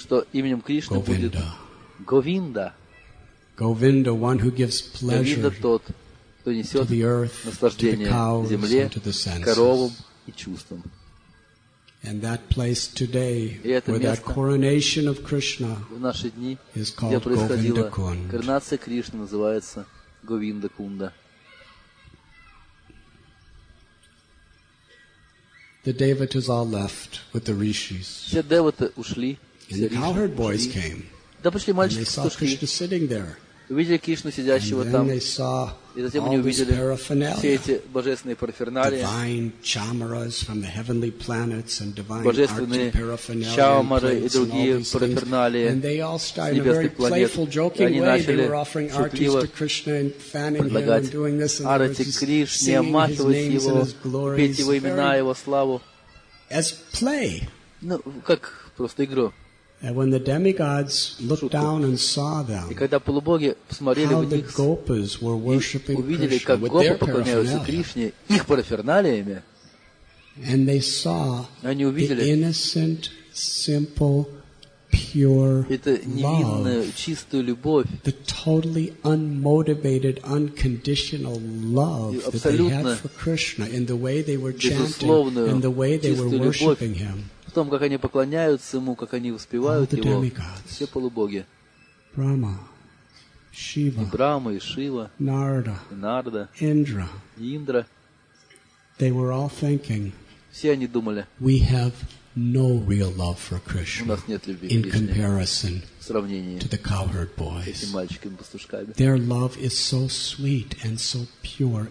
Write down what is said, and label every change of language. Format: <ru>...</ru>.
<en>Govinda. Govinda. Govinda, one who gives pleasure</en> <ru>тот,</ru> <en>to the earth, to the cows,</en> <ru>земле,</ru> <en>and to the senses. And that place today, where that coronation of Krishna</en> <ru>дни,</ru> <en>is called Govinda Kund.</en> <ru>Коронация Кришны называется Говинда Кунда.</ru> <en>The devotees all left with the rishis.</en> <ru>Все девоты ушли.</ru> <en>And the cowherd boys came.</en> <ru>Да пришли мальчики.</ru> <en>And they saw Krishna sitting there.</en> <ru>Увидели Кришну сидящего там.</ru> <en>And then they saw all this paraphernalia.</en> <ru>Все эти божественные</ru> <en>параферналии. Divine chamaras from the heavenly planets and divine arti paraphernalia</en> <ru>и другие параферналии.</ru> <en>And they all started in a very playful, joking way. They were offering arti to Krishna and fanning him and doing this and</en> <ru>arti Кришне, омахивать его, петь его имена, его славу.</ru> <en>As play.</en> <ru>Ну, как просто игру.</ru> <en>And when the demigods looked down and saw them, how the gopas were worshipping Krishna with their paraphernalia, and they saw the innocent, simple, pure love, the totally unmotivated, unconditional love that they had for Krishna in the way they were chanting, in the way they were worshipping him.</en> <ru>В том, как они поклоняются ему, как они воспевают его,</ru> <en>demigods,</en> <ru>все полубоги.</ru> <en>Brahma, Shiva,</en> <ru>и Брама, и Шива,</ru> <en>Narada,</en> <ru>и Нарда,</ru> <en>Indra,</en> <ru>и Индра.</ru> <en>They were all thinking,</en> <ru>все они думали,</ru> <en>we have no real love for Krishna,</en> <ru>у нас нет любви к</ru> <en>Кришне, in comparison</en> <ru>в сравнении</ru> <en>to the cowherd boys.</en> <ru>Этим мальчиками-пастушками.</ru> <en>Their love is so sweet and so pure and</en>